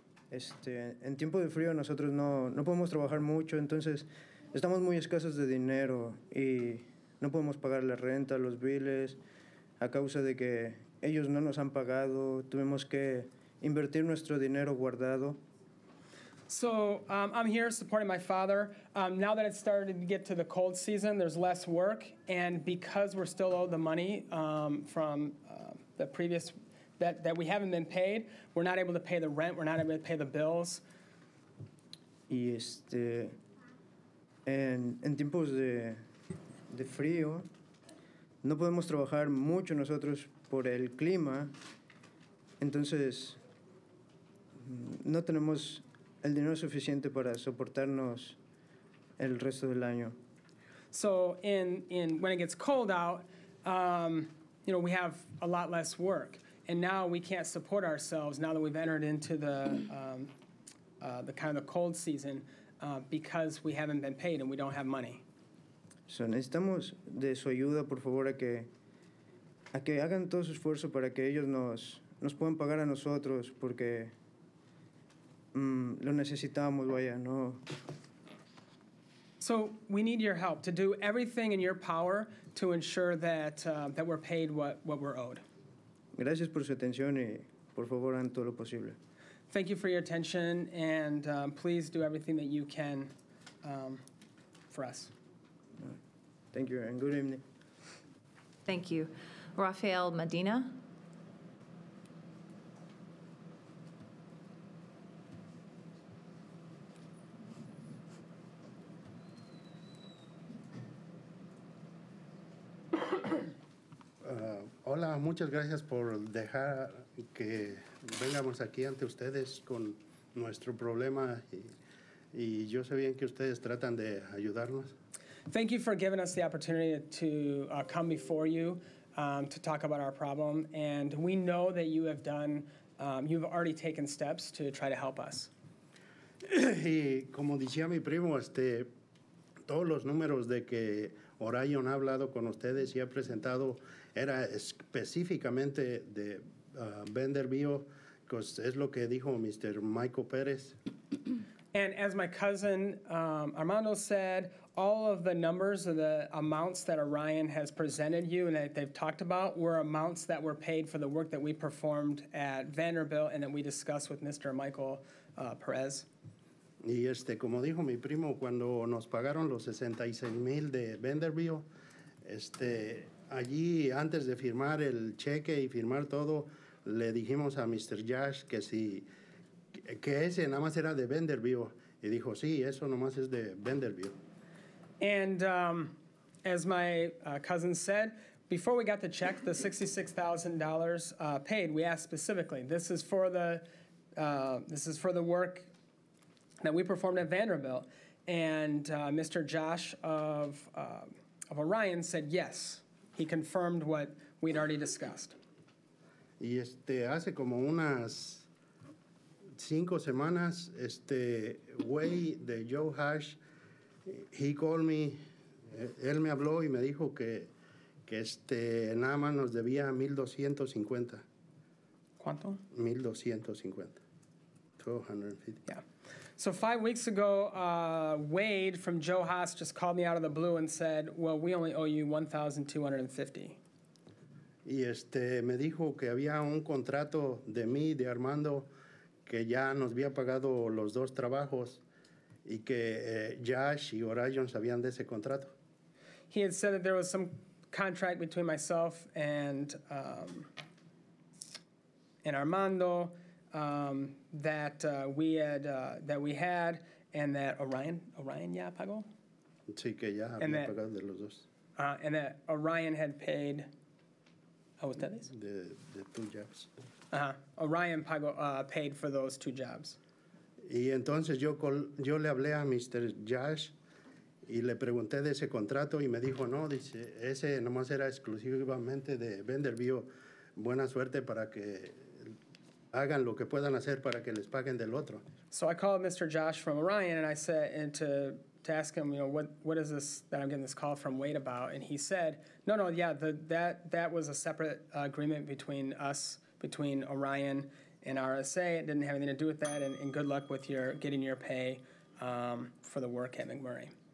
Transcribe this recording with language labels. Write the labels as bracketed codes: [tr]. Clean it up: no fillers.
[es] En tiempo de frío nosotros no podemos trabajar mucho, entonces estamos muy escasos de dinero y no podemos pagar la renta, los biles, a causa de que ellos no nos han pagado, tuvimos que invertir nuestro dinero guardado. [en] So, I'm here supporting my father. Now that it's started to get to the cold season, there's less work, and because we're still owed the money from the previous that we haven't been paid, we're not able to pay the rent, we're not able to pay the bills. [es] Y en tiempos de frío, no podemos trabajar mucho nosotros por el clima, entonces no tenemos el dinero suficiente para soportarnos el resto del año. [en] So in when it gets cold out, you know, we have a lot less work. And now we can't support ourselves now that we've entered into the kind of the cold season because we haven't been paid and we don't have money. [es] So necesitamos de su ayuda, por favor, a que hagan todo su esfuerzo para que ellos nos puedan pagar a nosotros porque lo necesitamos, vaya, no. [en] So we need your help to do everything in your power to ensure that that we're paid what we're owed. [es] Gracias por su atención y por favor hagan todo lo posible. [en] Thank you for your attention and please do everything that you can for us. Thank you and good evening. Thank you. Rafael Medina. [es] Hola, muchas gracias por dejar que vengamos aquí ante ustedes con nuestro problema y yo sé bien que ustedes tratan de ayudarnos. [en] Thank you for giving us the opportunity to come before you to talk about our problem, and we know that you have done, you've already taken steps to try to help us. [es] Y como decía mi primo, todos los números de que Orion ha hablado con ustedes y ha presentado era específicamente de Vanderbilt, pues es lo que dijo Mr. Michael Perez. [en] And as my cousin Armando said, all of the numbers and the amounts that Orion has presented you and that they've talked about were amounts that were paid for the work that we performed at Vanderbilt and that we discussed with Mr. Michael Perez. [es] Y este, como dijo mi primo, cuando nos pagaron los 66,000 de Vanderbilt, este, allí antes de firmar el cheque y firmar todo, le dijimos a Mr. Josh que si, que ese nada más era de Vanderbilt. Y dijo, sí, eso nomás es de Vanderbilt. [en] And as my cousin said, before we got the check, the $66,000 paid, we asked specifically, this is for the work that we performed at Vanderbilt. And Mr. Josh of Orion said yes. He confirmed what we'd already discussed. [es] Y este, hace como unas cinco semanas, este, Way de Joe Hash, [en] he called me, [es] él me habló y me dijo que este, nada más nos debía 1,250. ¿Cuánto? 1,250. [en] 1,250. Yeah. So 5 weeks ago, Wade from Joe Haas just called me out of the blue and said, well, we only owe you 1,250. [es] Y este, me dijo que había un contrato de mí, de Armando, que ya nos había pagado los dos trabajos. Y que Josh y Orion sabían de ese contrato. [en] He had said that there was some contract between myself and Armando that we had and that Orion [es] ya pagó. Sí, que ya había pagado de los dos. [en] And that Orion had paid. How was that? The two jobs. Orion pagó paid for those two jobs. [es] Y entonces yo le hablé a Mr. Josh y le pregunté de ese contrato y me dijo, no, dice, ese nomás era exclusivamente de Vanderbilt. Buena suerte para que hagan lo que puedan hacer para que les paguen del otro. [en] So I called Mr. Josh from Orion and I said, and to ask him, you know, what is this that I'm getting this call from Wade about? And he said, no, yeah, that was a separate agreement between Orion in RSA, it didn't have anything to do with that, and good luck with your getting your pay for the work at McMurray.